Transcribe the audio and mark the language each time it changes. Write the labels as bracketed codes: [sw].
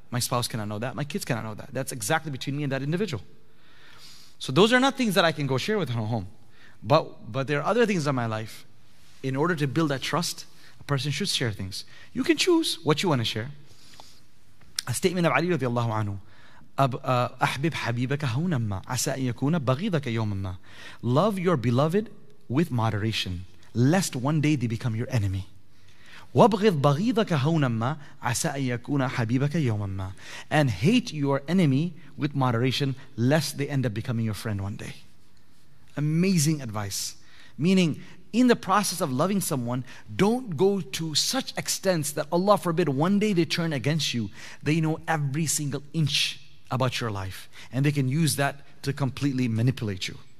[en] My spouse cannot know that. My kids cannot know that. That's exactly between me and that individual. So those are not things that I can go share with her home. But there are other things in my life. In order to build that trust, a person should share things. You can choose what you want to share. A statement of Ali radiallahu anhu. [ar] أحبب حبيبك هونما عسى أن يكون بغيضك يومما. [en] Love your beloved with moderation, lest one day they become your enemy. [ar] وبغض بغيضك هونما عسى أن يكون حبيبك يومما. [en] And hate your enemy with moderation, lest they end up becoming your friend one day. Amazing advice. Meaning, in the process of loving someone, don't go to such extents that Allah forbid one day they turn against you. They know every single inch about your life, and they can use that to completely manipulate you.